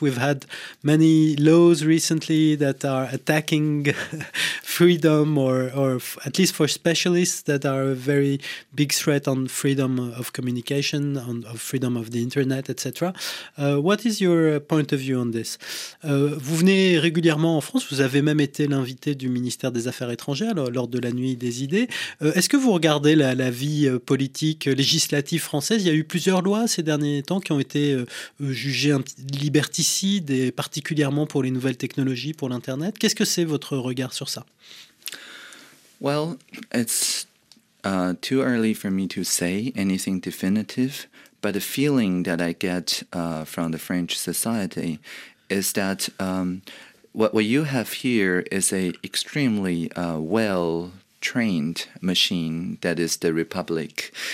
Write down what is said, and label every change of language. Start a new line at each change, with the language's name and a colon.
English: We've had many laws recently that are attacking freedom, or at least for specialists, that are a very big threat on freedom of communication, of freedom of the internet, etc. What is your point of view on this?
French: Vous venez régulièrement en France, vous avez même été l'invité du ministère des Affaires étrangères lors de la Nuit des Idées. Est-ce que vous regardez la vie politique, législative française? Il y a eu plusieurs lois ces derniers temps qui ont été jugées liberticides, et particulièrement pour les nouvelles technologies, pour l'Internet. Qu'est-ce que c'est votre regard sur ça?
English: Well, it's too early for me to say anything definitive. But the feeling that I get from the French society is that what you have here is an extremely well-trained machine that is the Republic.